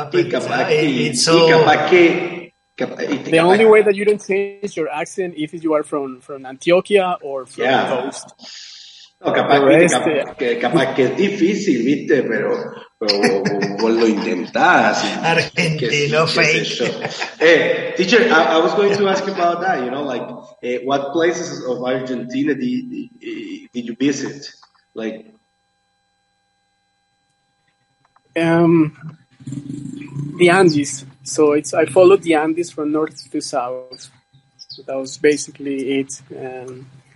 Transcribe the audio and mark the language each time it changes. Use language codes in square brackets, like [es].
[en] The only way that you don't change your accent if you are from Antioquia or from the coast. [es] No, capaz que es difícil, viste, pero lo intentas. Argentino fake. [en] Teacher, I was going to ask about that, you know, like, what places of Argentina did you visit? Like, the Andes. So I followed the Andes from north to south. So that was basically it.